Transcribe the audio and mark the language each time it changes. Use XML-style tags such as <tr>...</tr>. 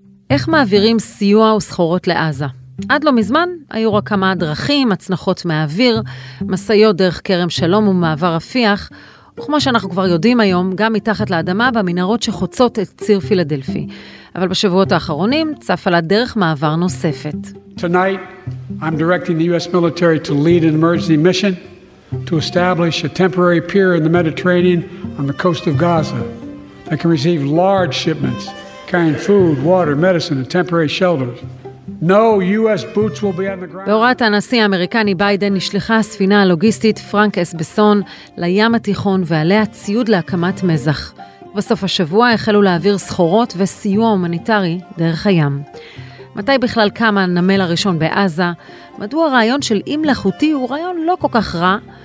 <he>איך מעבירים סיוע וסחורות לעזה? עד לא מזמן היו רק כמה דרכים, הצנחות מהאוויר, מסעיות דרך כרם שלום ומעבר רפיח, וכמו שאנחנו כבר יודעים היום, גם מתחת לאדמה במנהרות שחוצות את ציר פילדלפי. אבל בשבועות האחרונים צף עלה דרך מעבר נוספת.</he> <en>Tonight I'm directing the US military to lead an emergency mission to establish a temporary pier in the Mediterranean on the coast of Gaza that can receive large shipments carrying food, water, medicine and temporary shelters. No US boots will be on the ground.</en> <he>בהוראת הנשיא האמריקני ביידן נשלחה הספינה הלוגיסטית פרנק אס בסון לים התיכון ועליה ציוד להקמת מזח. בסוף השבוע החלו להעביר סחורות וסיוע הומניטרי דרך הים. מתי בכלל קם הנמל הראשון בעזה? מדוע הרעיון של אי מלאכותי הוא רעיון לא כל כך רע?</he>